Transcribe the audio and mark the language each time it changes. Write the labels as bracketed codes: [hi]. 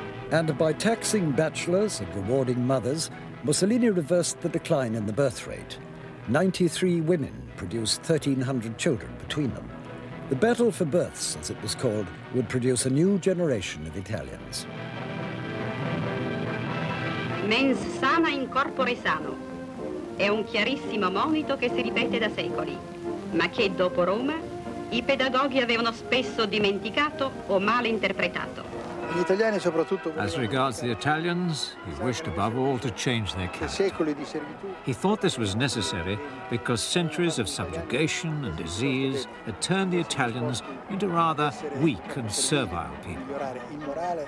[en] And by taxing bachelors and rewarding mothers, Mussolini reversed the decline in the birth rate. 93 women produced 1,300 children between them. The battle for births, as it was called, would produce a new generation of Italians. [la] Mens sana in corpore sano. [it] È un chiarissimo monito che si ripete da secoli, ma che dopo Roma i pedagoghi avevano spesso dimenticato o mal interpretato. [en] As regards the Italians, he wished above all to change their character. He thought this was necessary because centuries of subjugation and disease had turned the Italians into rather weak and servile people.